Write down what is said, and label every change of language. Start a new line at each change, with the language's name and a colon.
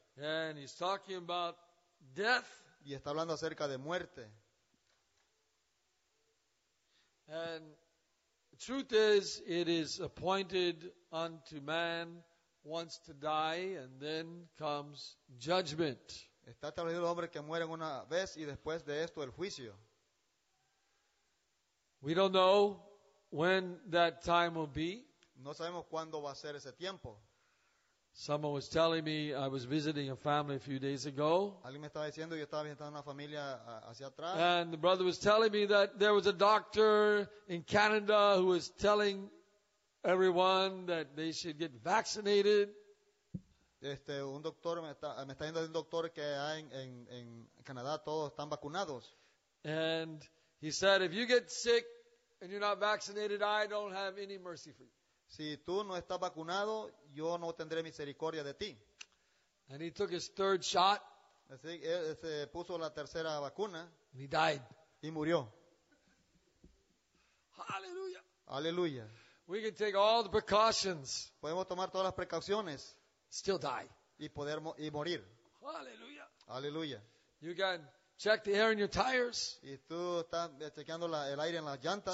English: And he's talking about death.
Spanish: Y está hablando acerca de muerte.
English: And the truth is, it is appointed unto man once to die, and then comes judgment.
Spanish: Está establecido el hombre que muere una vez, y después de esto el juicio.
English: We don't know when that time will be.
Spanish: No sabemos cuándo va a ser ese tiempo.
English: Someone was telling me I was visiting a family a few days ago.
Spanish: Alguien me estaba diciendo yo estaba visitando una familia hacia atrás.
English: And the brother was telling me that there was a doctor in Canada who was telling everyone that they should get vaccinated.
Spanish: Un doctor me está diciendo un doctor que hay en Canadá todos están vacunados.
English: And he said, if you get sick and you're not vaccinated, I don't have any mercy for you.
Spanish: Si tú no estás vacunado, yo no tendré misericordia de ti.
English: And he took his third shot.
Spanish: Así, él se puso la tercera vacuna.
English: And he died.
Spanish: Y murió.
English: Hallelujah. Hallelujah. We can take all the precautions.
Spanish: Podemos tomar todas las precauciones.
English: Still die.
Spanish: Y morir.
English: Hallelujah. Hallelujah. You can check the air in your tires.
Spanish: Y tú estás chequeando el aire en las llantas.